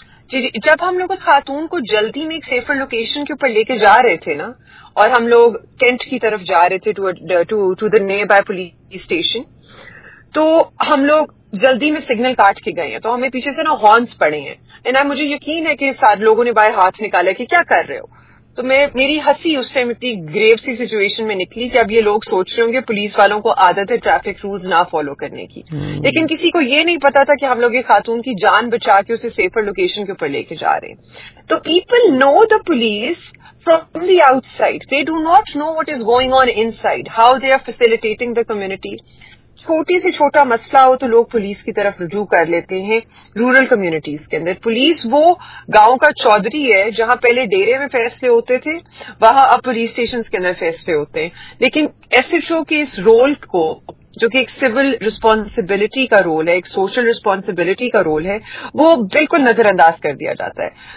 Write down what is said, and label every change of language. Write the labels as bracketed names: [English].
[Urdu] جی, جب ہم لوگ اس خاتون کو جلدی میں ایک سیفر لوکیشن کے اوپر لے کے جا رہے تھے نا, اور ہم لوگ کینٹ کی طرف جا رہے تھے [English] to the nearby police station, [Urdu] تو ہم لوگ جلدی میں سگنل کاٹ کے گئے ہیں, تو ہمیں پیچھے سے نا ہارنس پڑے ہیں, اینڈ مجھے یقین ہے کہ سارے لوگوں نے باہر ہاتھ نکالا کہ کیا کر رہے ہو. تو میری ہنسی اس ٹائم اتنی گریو سی سچویشن میں نکلی کہ اب یہ لوگ سوچ رہے ہوں گے پولیس والوں کو عادت ہے ٹریفک رولز نہ فالو کرنے کی, لیکن کسی کو یہ نہیں پتا تھا کہ ہم لوگ یہ خاتون کی جان بچا کے اسے سیفر لوکیشن کے اوپر لے کے جا رہے ہیں. [English] تو people know the police from the outside, they do not know what is going on inside, how they are facilitating the community. [Urdu] چھوٹی سے چھوٹا مسئلہ ہو تو لوگ پولیس کی طرف رجوع کر لیتے ہیں رورل کمیونٹیز کے اندر. پولیس وہ گاؤں کا چودھری ہے جہاں پہلے ڈیرے میں فیصلے ہوتے تھے, وہاں اب پولیس اسٹیشن کے اندر فیصلے ہوتے ہیں. لیکن ایس ایچ او کے اس رول کو, جو کہ ایک سول ریسپانسبلٹی کا رول ہے, ایک سوشل ریسپانسبلٹی کا رول ہے, وہ بالکل نظر انداز کر دیا جاتا ہے.